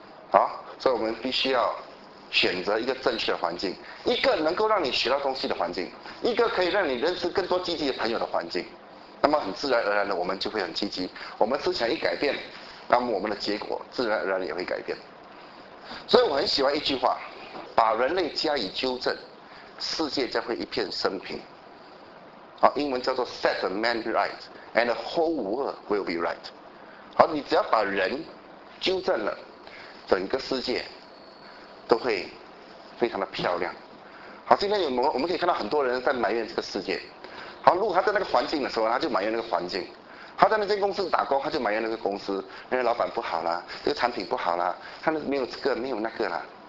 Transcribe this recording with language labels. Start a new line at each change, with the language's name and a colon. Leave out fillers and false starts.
Chinese: 好，所以我们必须要选择一个正确的环境，一个能够让你学到东西的环境，一个可以让你认识更多积极的朋友的环境，那么很自然而然的我们就会很积极，我们思想一改变，那么我们的结果自然而然也会改变。所以我很喜欢一句话，把人类加以纠正，世界将会一片升平。好，英文叫做
English: set a man right and the whole world will be right。
Chinese: 好，你只要把人纠正了，整个世界都会非常的漂亮。好，今天我们可以看到很多人在埋怨这个世界。好，如果他在那个环境的时候，他就埋怨那个环境，他在那间公司打工，他就埋怨那个公司，那个老板不好啦，这个产品不好啦，他没有这个没有那个啦。